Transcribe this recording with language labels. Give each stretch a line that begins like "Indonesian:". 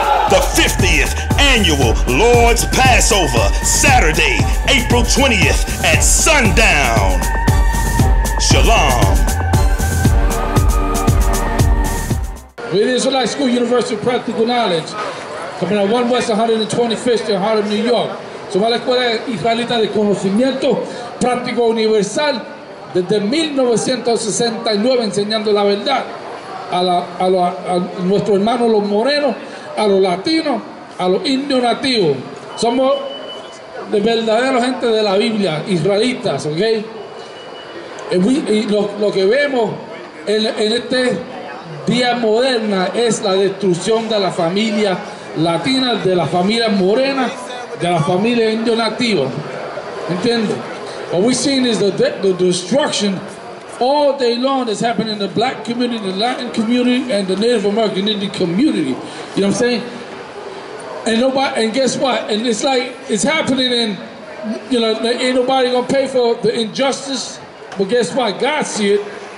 English: The 50th annual Lord's Passover, Saturday, April 20th at sundown. Shalom. With the Israelite School University of Practical Knowledge, coming out 1 West 125th in Harlem, New York.
Spanish: Somos la Escuela Israelita de Conocimiento Práctico Universal desde 1969, enseñando la verdad a nuestros hermanos los morenos, a los latinos, a los indios nativos. Somos de verdadera gente de la Biblia, israelitas, ¿ok? Y lo que vemos en este día moderna es la destrucción de la familia latina, de la familia morena, de la familia indio nativa. ¿Entiendes?
English: What we're seeing is the destruction all day long that's happening in the black community, the Latin community, and the Native American Indian community. You know what I'm saying? And guess what? And it's like, it's happening and, you know, ain't nobody gonna pay for the injustice. But guess what? God see it.